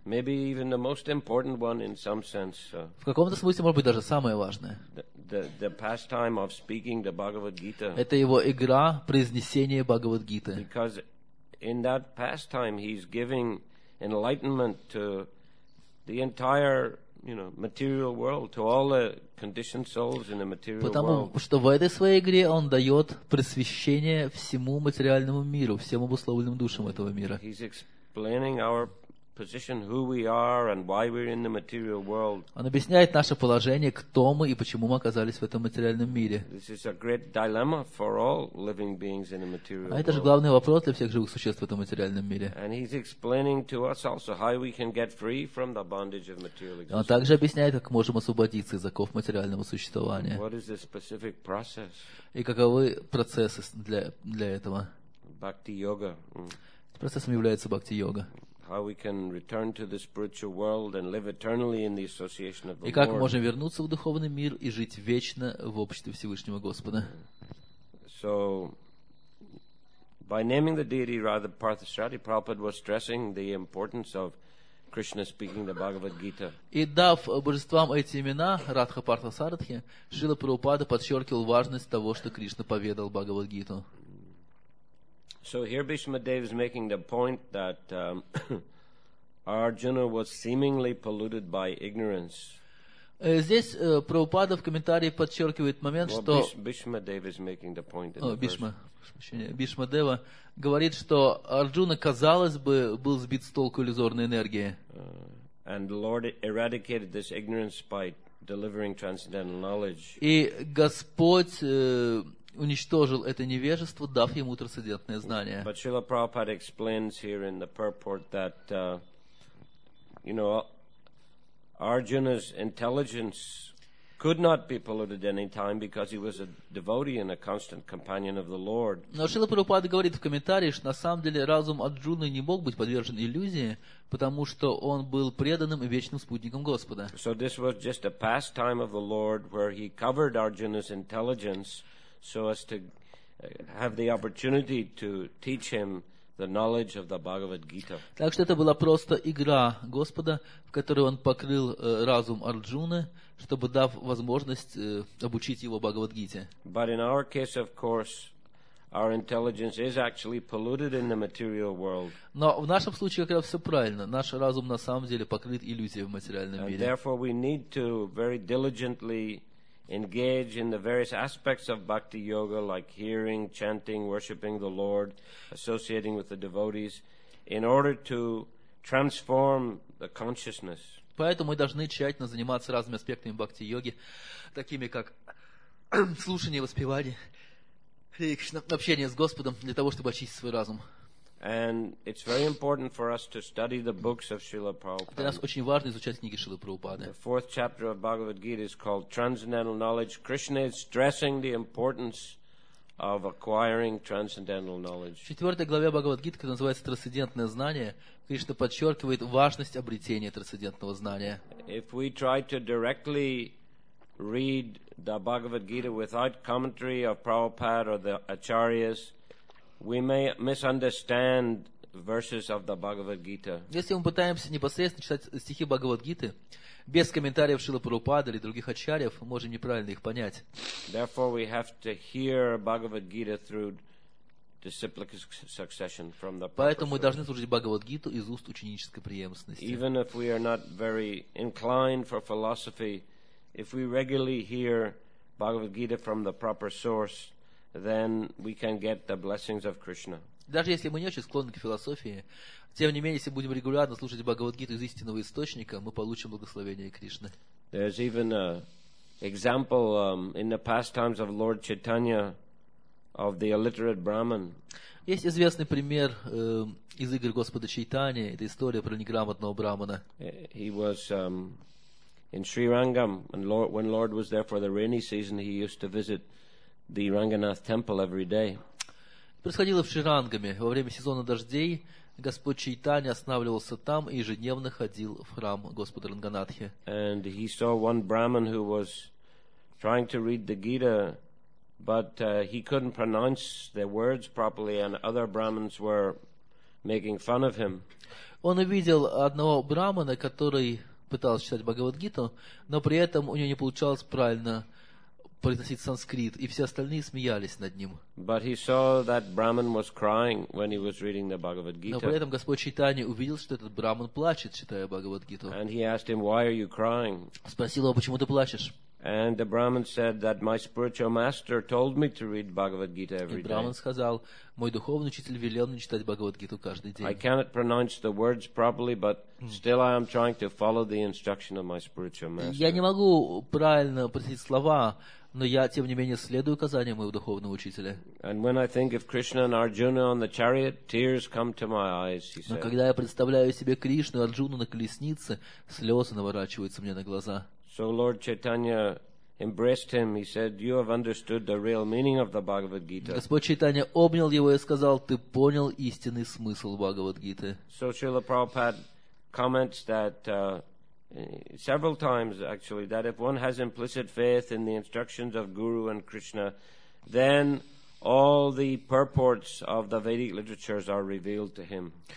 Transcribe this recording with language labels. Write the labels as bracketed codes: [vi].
[en] Maybe even the most important one in some sense. [ru] В каком-то смысле, может быть, даже самое важное. [en] The pastime of speaking the Bhagavad Gita. [ru] Это его игра произнесения Бхагавад Гиты. [en] Because in that pastime he's giving enlightenment to the entire, you know, material world, to all the conditioned souls in the material [ru] Потому, [en] world. [ru] Потому что в этой своей игре он дает просвещение всему материальному миру, всем обусловленным душам этого мира. [en] He's explaining our position, who we are and why we're in the material world. [ru] Он объясняет наше положение, кто мы и почему мы оказались в этом материальном мире. [en] This is a great dilemma for all living beings in the material world. [ru] А это же главный вопрос для всех живых существ в этом материальном мире. [en] And he's explaining to us also how we can get free from the bondage of material existence. [ru] Он также объясняет, как можем освободиться из оков материального существования. [en] What is the specific process? [ru] И каковы процессы для этого? [en] Bhakti yoga. [ru] Процессом является бхакти йога. [en] How we can return to the spiritual world and live eternally in the association of the Lord. [ru] И как мы можем вернуться в духовный мир и жить вечно в обществе Всевышнего Господа? [en] So, by naming the deity rather Parthasarathi, Prabhupada was stressing the importance of Krishna speaking the Bhagavad Gita. [ru] И дав божествам эти имена Радха Парта-Сарадхи, Шрила Прабхупада подчеркивал важность того, что Кришна поведал Бхагавад Гиту. [en] So here Bhishma Dev is making the point that Arjuna was seemingly polluted by ignorance. [ru] Здесь Прабхупада в комментарии подчеркивает момент, что [en] Bhishma Dev is making the point. [ru] Бхишма Дева говорит, что Арджуна, казалось бы, был сбит с толку иллюзорной энергией. [en] And the Lord eradicated this ignorance by delivering transcendental knowledge. [ru] И Господь уничтожил это невежество, дав ему трансцендентное знание. [en] But Srila Prabhupada explains here in the purport that, you know, Arjuna's intelligence could not be polluted any time because he was a devotee and a constant companion of the Lord. [ru] Но Шрила Прабхупада говорит в комментарии, что на самом деле разум Арджуны не мог быть подвержен иллюзии, потому что он был преданным и вечным спутником Господа. [en] So this was just a pastime of the Lord where he covered Arjuna's intelligence so as to have the opportunity to teach him the knowledge of the Bhagavad Gita. [ru] Так что это была просто игра Господа, в которой он покрыл разум Арджуны, чтобы дав возможность обучить его Бхагавад Гите. [en] But in our case, of course, our intelligence is actually polluted in the material world. [ru] Но в нашем случае как раз все правильно. Наш разум на самом деле покрыт иллюзией в материальном мире. [en] And therefore we need to very diligently engage in the various aspects of bhakti yoga, like hearing, chanting, worshipping the Lord, associating with the devotees, in order to transform the consciousness. [ru] Поэтому мы должны тщательно заниматься разными аспектами бхакти йоги, такими как слушание, воспевание, общение с Господом, для того чтобы очистить свой разум. [en] And it's very important for us to study the books of Srila Prabhupada. [ru] Для нас очень важно изучать книги Шрилы Прабхупады. [en] The fourth chapter of Bhagavad Gita is called Transcendental Knowledge. Krishna is stressing the importance of acquiring transcendental knowledge. [ru] В четвертой главе Бхагавад Гиты, которая называется «Трансцендентное знание», Кришна подчеркивает важность обретения трансцендентного знания. [en] If we try to directly read the Bhagavad Gita without commentary of Prabhupada or the Acharyas, we may misunderstand verses of the Bhagavad Gita. [ru] Если мы пытаемся непосредственно читать стихи Бхагавад Гиты без комментариев Шрилы Прабхупады или других ачарьев, мы можем неправильно их понять. [en] Therefore, we have to hear Bhagavad Gita through the disciplic succession from the. [ru] Поэтому мы должны слушать Бхагавад Гиту из уст ученической преемственности. [en] Even if we are not very inclined for philosophy, if we regularly hear Bhagavad Gita from the proper source, then we can get the blessings of Krishna. [ru] Даже если мы не очень склонны к философии, тем не менее, если будем регулярно слушать Бхагавад-гиту из истинного источника, мы получим благословение Кришны. [en] There's even an example in the pastimes of Lord Chaitanya of the illiterate Brahmin. [ru] Есть известный пример из игр Господа Чайтани, это история про неграмотного брахмана. [en] He was in Sri Rangam, and Lord, when Lord was there for the rainy season, he used to visit the Ranganath temple every day. [ru] Происходило в Шрирангаме. Во время сезона дождей Господь Чайтани останавливался там и ежедневно ходил в храм Господа Ранганатхи. [en] And he saw one Brahmin who was trying to read the Gita, but he couldn't pronounce the words properly, and other Brahmins were making fun of him. [ru] Он увидел одного Брахмана, который пытался читать Бхагавад-гиту, но при этом у него не получалось правильно произносить санскрит, и все остальные смеялись над ним. [en] But he saw that Brahmin was crying when he was reading the Bhagavad-gita. [ru] Но при этом Господь Чайтани увидел, что этот Брахман плачет, читая Бхагавад-гиту. [en] And he asked him, "Why are you crying?" [ru] Спросил его, почему ты плачешь? [en] And the Brahmin said that my spiritual master told me to read Bhagavad Gita every day. [ru] Брахман сказал: "Мой духовный учитель велел мне читать Бхагавад-гиту каждый день". [en] I cannot pronounce the words properly, but still I am trying to follow the instruction of my spiritual master. [ru] Я не могу правильно произносить слова, но я тем не менее следую указаниям моего духовного учителя. [en] And when I think of Krishna and Arjuna on the chariot, tears come to my eyes, he said. [ru] Но когда я представляю себе Кришну и Арджуну на колеснице, слезы наворачиваются мне на глаза. [en] So Lord Chaitanya embraced him. He said, "You have understood the real meaning of the Bhagavad Gita." [ru] Господь Чайтанья обнял его и сказал: "Ты понял истинный смысл Бхагавад-гиты." [en] So Srila Prabhupada comments that several times, actually, that if one has implicit faith in the instructions of Guru and Krishna, then all the purports of the Vedic literatures are revealed to him.